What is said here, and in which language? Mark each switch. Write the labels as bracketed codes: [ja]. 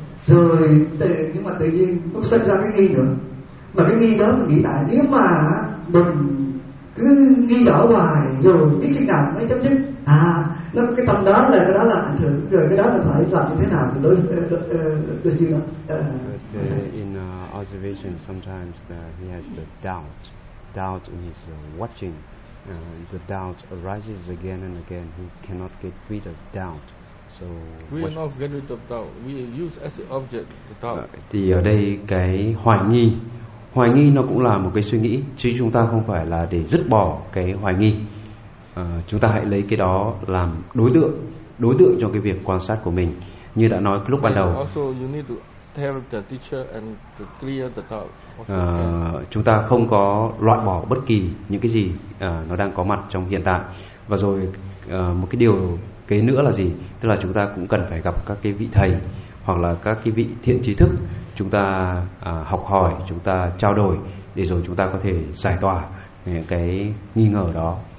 [vi] Rồi nhưng mà tự nhiên nó sinh ra cái nghi nữa, mà cái nghi đó mình nghĩ lại, nếu mà mình cứ ghi rõ hoài rồi biết khi nào mới chấm dứt, à nó cái tâm đó là cái đó là ảnh hưởng, rồi cái đó mình phải làm như thế nào mình đối với chuyện đó. [en] In observation, sometimes he has the doubt in his watching. The doubt arises again and again. He cannot get rid of doubt. So we are not get rid of doubt. We use as an object the doubt. [vi] Thì ở đây cái hoài nghi nó cũng là một cái suy nghĩ. Chứ chúng ta không phải là để dứt bỏ cái hoài nghi. Chúng ta hãy lấy cái đó làm đối tượng cho cái việc quan sát của mình. Như đã nói lúc ban đầu. [en] Also, you need to tell the teacher and to clear the doubt. [vi] Chúng ta không có loại bỏ bất kỳ những cái gì nó đang có mặt trong hiện tại. Và rồi một cái điều kế nữa là gì? Tức là chúng ta cũng cần phải gặp các cái vị thầy hoặc là các cái vị thiện trí thức, chúng ta học hỏi, chúng ta trao đổi để rồi chúng ta có thể giải tỏa những cái nghi ngờ đó.